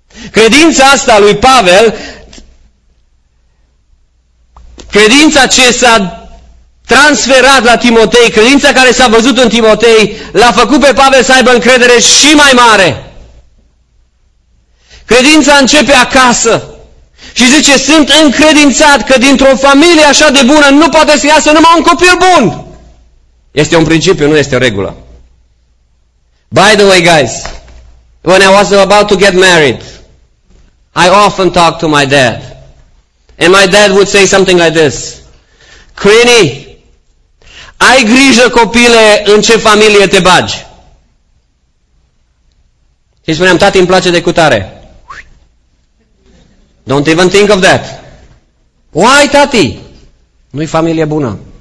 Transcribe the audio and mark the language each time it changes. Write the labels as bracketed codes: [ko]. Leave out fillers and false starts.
[ro] Credința asta lui Pavel, credința ce s-a transferat la Timotei, credința care s-a văzut în Timotei, l-a făcut pe Pavel să aibă încredere și mai mare. Credința începe acasă. Și zice, sunt încredințat că dintr-o familie așa de bună nu poate să iasă numai un copil bun. Este un principiu, nu este o regulă. [en] By the way, guys, when I was about to get married, I often talk to my dad. And my dad would say something like this. [ro] Crini, ai grijă, copile, în ce familie te bagi. Și spuneam, tati, îmi place de cutare. [en] Don't even think of that. Why, tati? [ro] Nu-i familie bună.